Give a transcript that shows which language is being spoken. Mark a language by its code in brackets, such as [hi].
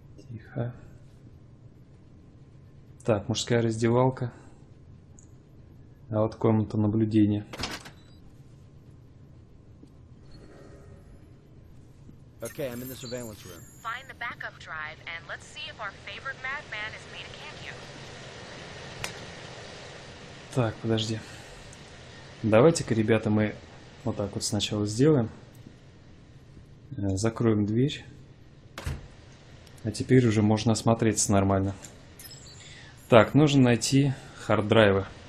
[ru] Тихо. Так, мужская раздевалка. А вот комната наблюдения. [en] Okay, I'm in the surveillance room. Find the backup drive and let's see if our favorite madman has made a cameo. [ru] Так, подожди. Давайте-ка, ребята, мы вот так вот сначала сделаем. Закроем дверь. А теперь уже можно осмотреться нормально. Так, нужно найти хард-драйвы.